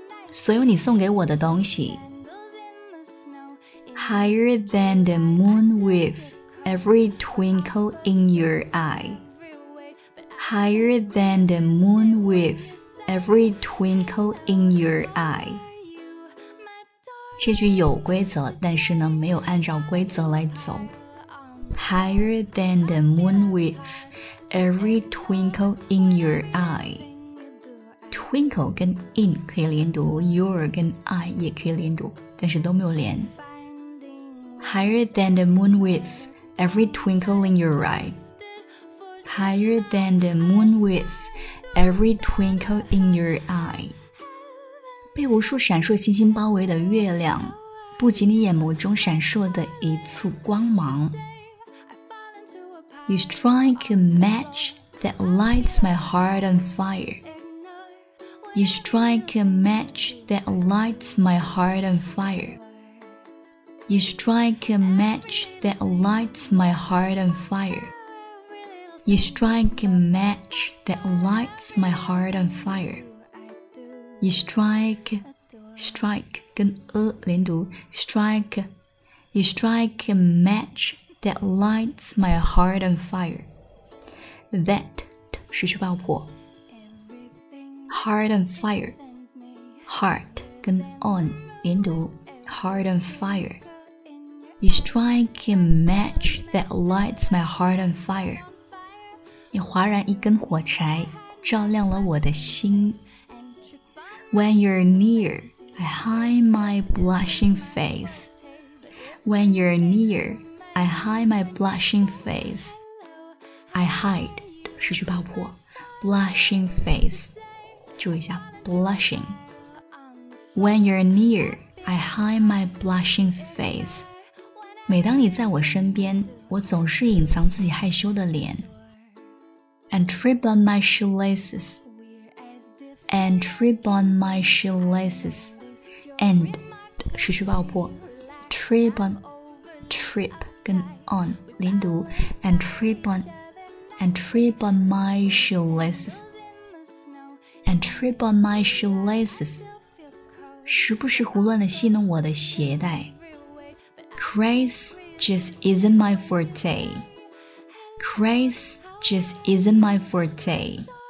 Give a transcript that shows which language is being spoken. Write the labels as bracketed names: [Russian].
[Chinese] 所有你送给我的东西 [English] Higher than the moon with every twinkle in your eye. Higher than the moon with every twinkle in your eye. [Chinese] 这句有规则，但是呢，没有按照规则来走。 [English] Higher than the moon with every twinkle in your eye. [Chinese] Twinkle 跟 in 可以连读 ，your 跟 I 也可以连读，但是都没有连。 [English] Higher than the moon with every twinkle in your eye. Higher than the moon with every twinkle in your eye. [Chinese] 被无数闪烁星星包围的月亮，不及你眼眸中闪烁的一簇光芒。 [English] You strike a match that lights my heart on fire. You strike a match that lights my heart on fire. You strike a match that lights my heart on fire. You strike a match that lights my heart on fire. You strike [Chinese] 跟连读 [English] strike. You strike a match that lights my heart on fire. That [Chinese] 失去爆破 [English] Heart on fire. Heart 跟 on 连读 heart on fire. You strike a match that lights my heart on fire. [Chinese] 你划燃一根火柴，照亮了我的心。 [English] When you're near, I hide my blushing face. When you're near, I hide my blushing face. I hide, [Chinese] 失去爆破 [English] blushing face. [Chinese] 注意一下 blushing. [English] When you're near, I hide my blushing face. [Chinese] 每当你在我身边，我总是隐藏自己害羞的脸。 [English] And trip on my shoelaces. And trip on my shoelaces. [Chinese] And 失去爆破。 [English] Trip on, trip 跟 on 连读。 And trip on my shoelaces. And trip on my shoelaces. [Chinese] 时不时胡乱地戏弄我的鞋带。 [English] Grace just isn't my forte. Grace just isn't my forte.